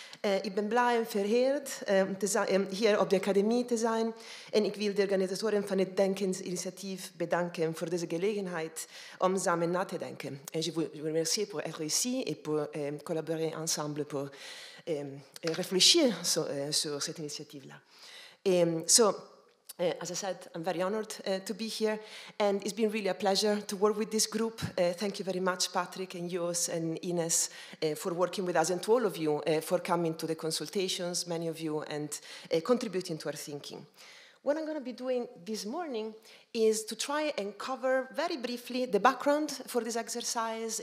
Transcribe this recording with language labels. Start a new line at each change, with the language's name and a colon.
German: Ich bin Brian Verheerd, hier auf der Akademie Design, und ich will die Organisatoren von der Denkensinitiative bedanken für diese Gelegenheit, um zusammen nachzudenken. Und ich
French: vous remercie pour être ici et pour collaborer ensemble pour réfléchir sur cette initiative là.
English: As I said, I'm very honored to be here, and it's been really a pleasure to work with this group. Thank you very much, Patrick, and yours, and Ines, for working with us, and to all of you for coming to the consultations, many of you, and contributing to our thinking. What I'm going to be doing this morning is to try and cover very briefly the background for this exercise.